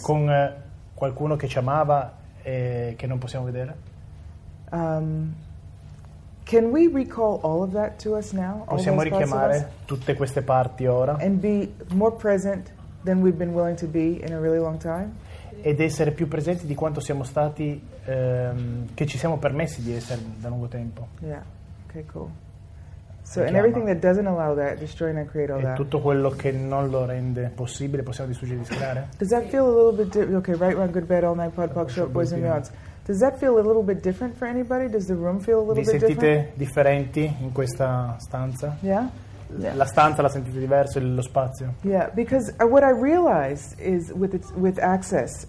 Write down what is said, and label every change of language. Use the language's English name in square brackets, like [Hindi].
[Italian] Con qualcuno che ci amava e che non possiamo vedere. [English] Can we recall all of that to us now? [Italian] Possiamo richiamare tutte queste parti ora? [English] And be more present than we've been willing to be in a really long time? [Italian] Ed essere più presenti di quanto siamo stati che ci siamo permessi di essere da lungo tempo. [English] Yeah. Okay, cool. So, and everything that doesn't allow that, destroy and create all that. [Italian] E tutto quello che non lo rende possibile, possiamo distruggere e discreare? [English] Does that feel a little bit different? Okay, right, wrong, good, bad, all night, pod, pock, short, boys and beyonds. Does that feel a little bit different for anybody? Does the room feel a little bit different? [Italian] Vi sentite differenti in questa stanza? [English] Yeah? [Italian] La stanza la sentite diverso, lo spazio? [English] Yeah, because what I realized is with Access.